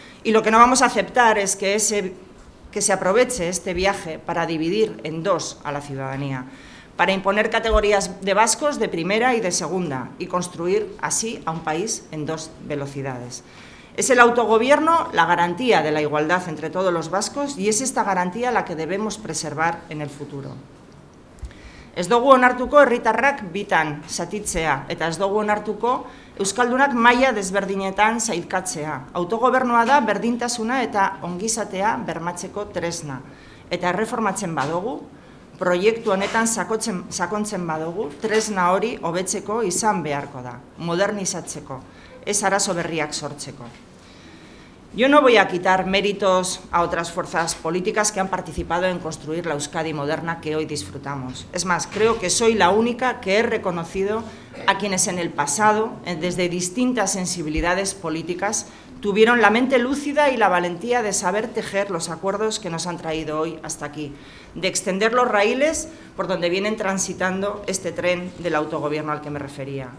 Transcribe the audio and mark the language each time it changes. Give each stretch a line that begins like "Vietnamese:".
Spanish: Y lo que no vamos a aceptar es que se aproveche este viaje para dividir en 2 a la ciudadanía, para imponer categorías de vascos de primera y de segunda y construir así a un país en 2 velocidades. Es el autogobierno la garantía de la igualdad entre todos los vascos y es esta garantía la que debemos preservar en el futuro.
Basque: Ez dugu onartuko herritarrak bitan zatitzea eta ez dugu onartuko euskaldunak maila desberdinetan sailkatzea. Autogobernua da berdintasuna eta ongizatea bermatzeko tresna eta erreformatzen badugu proiektu honetan sakontzen badugu, tresna hori hobetzeko izan beharko da, modernizatzeko, ez arazo berriak sortzeko.
Spanish: Yo no voy a quitar méritos a otras fuerzas políticas que han participado en construir la Euskadi moderna que hoy disfrutamos. Es más, creo que soy la única que he reconocido a quienes en el pasado, desde distintas sensibilidades políticas, tuvieron la mente lúcida y la valentía de saber tejer los acuerdos que nos han traído hoy hasta aquí, de extender los raíles por donde vienen transitando este tren del autogobierno al que me refería.